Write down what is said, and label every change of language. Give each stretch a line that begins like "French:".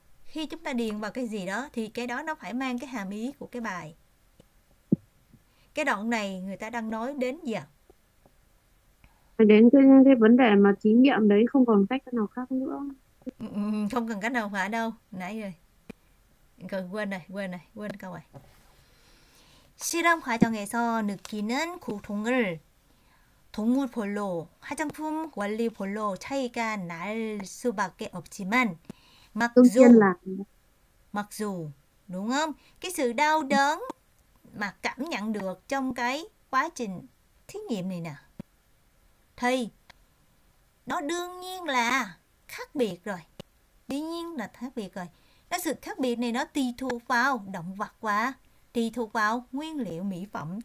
Vietnamese: Khi chúng ta điền vào cái gì đó thì cái đó nó phải mang cái hàm ý của cái bài. Cái đoạn này người ta đang nói đến gì ạ? Đến cái vấn đề mà thí nghiệm đấy không còn cách nào khác nữa. Không cần cách nào phải đâu. Nãy rồi. Còn quên này, quên này, quên câu này.
Korean: 실험 과정에서 느끼는 고통을 동물별로 화장품 원리별로 차이가 날 수밖에 없지만
Vietnamese: mặc dù đúng không? Cái sự đau đớn mà cảm nhận được trong cái quá trình thí nghiệm này nè. Thì nó đương nhiên là khác biệt rồi. Đương nhiên là khác biệt rồi. Cái sự khác biệt này nó tùy thuộc vào động vật và tùy thuộc vào nguyên liệu mỹ phẩm.